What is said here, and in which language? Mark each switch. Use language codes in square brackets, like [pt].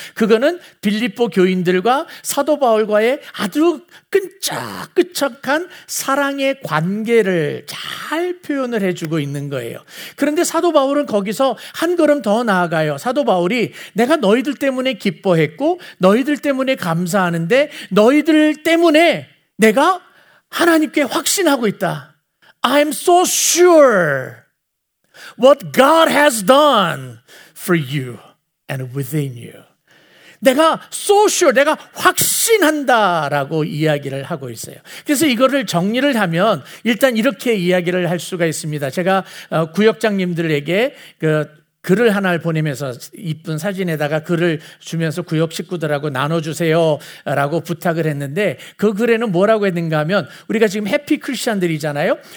[ko] 그거는 빌립보 교인들과 사도 바울과의 아주 끈적끈적한 사랑의 관계를 잘 표현을 해주고 있는 거예요. 그런데 사도 바울은 거기서 한 걸음 더 나아가요. 사도 바울이 내가 너희들 때문에 기뻐했고 너희들 때문에 감사하는데 너희들 때문에 내가 하나님께 확신하고 있다. [en] I'm so sure what God has done for you and within you. [ko] 내가 [en] so sure, [ko] 내가 확신한다라고 이야기를 하고 있어요. 그래서 이거를 정리를 하면 일단 이렇게 이야기를 할 수가 있습니다. 제가 구역장님들에게 그 글을 하나를 보내면서 이쁜 사진에다가 글을 주면서 구역 식구들하고 나눠주세요라고 부탁을 했는데 그 글에는 뭐라고 했는가 하면 우리가 지금 해피 크리스천들이잖아요.